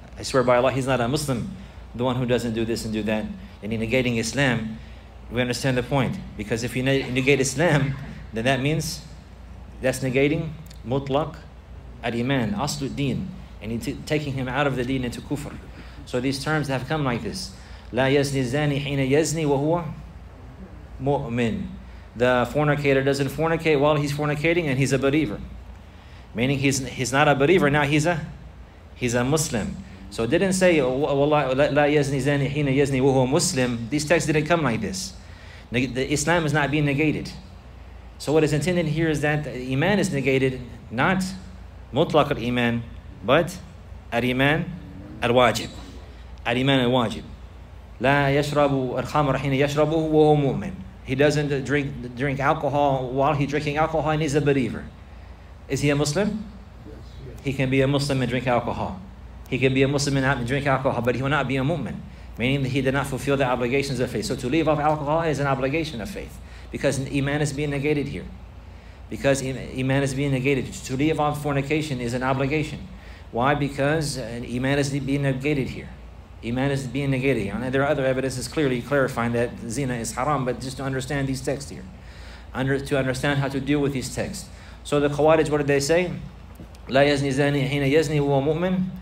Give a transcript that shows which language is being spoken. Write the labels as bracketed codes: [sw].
[en] I swear by Allah, he's not a Muslim, the one who doesn't do this and do that. And in negating Islam, we understand the point. Because if you negate Islam, then that means that's negating mutlaq al-iman, aslul deen, and taking him out of the deen into kufr. So these terms have come like this. [ar] لا يزني الزاني حين يزني وهو مؤمن. [en] The fornicator doesn't fornicate while he's fornicating and he's a believer. Meaning he's not a believer, now he's a Muslim. So it didn't say [ar] لا يزني الزاني حين يزني وهو مسلم. [en] These texts didn't come like this. The Islam is not being negated. So what is intended here is that iman is negated, not mutlaq al-iman, but al-iman al-wajib. Al-iman al-wajib. [ar] لا يشرب الخمر حين يشربه وهو مؤمن. [en] He doesn't drink alcohol while he's drinking alcohol and he's a believer. Is he a Muslim? Yes. He can be a Muslim and drink alcohol. He can be a Muslim and drink alcohol, but he will not be a mu'min, meaning that he did not fulfill the obligations of faith. So to leave off alcohol is an obligation of faith, because iman is being negated here. Because iman is being negated. To leave off fornication is an obligation. Why? Because iman is being negated here. Iman is being negated. And there are other evidences clearly clarifying that zina is haram, but just to understand these texts here, to understand how to deal with these texts. So the Khawarij, what did they say? [ar] لا يزني زاني حين يزني وهو مؤمن.